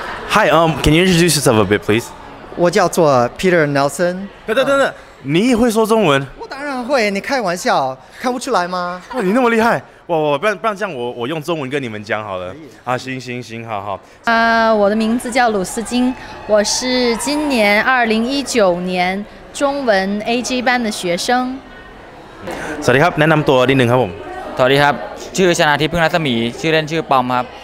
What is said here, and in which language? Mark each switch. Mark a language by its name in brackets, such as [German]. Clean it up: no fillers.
[English] Hi, can you introduce yourself a bit, please? [Chinese] 我叫做 Peter Nelson。等等，你也会说中文？我当然会，你开玩笑，看不出来吗？哇，你那么厉害！我不然这样我用中文跟你们讲好了啊，行，好。我的名字叫鲁斯金，我是今年2019年中文 AG 班的学生。 [Thai] สวัสดีครับแนะนำตัวนิดนึงครับผม สวัสดีครับชื่อชนาธิพึ่งรัศมีชื่อเล่นชื่อปอมครับ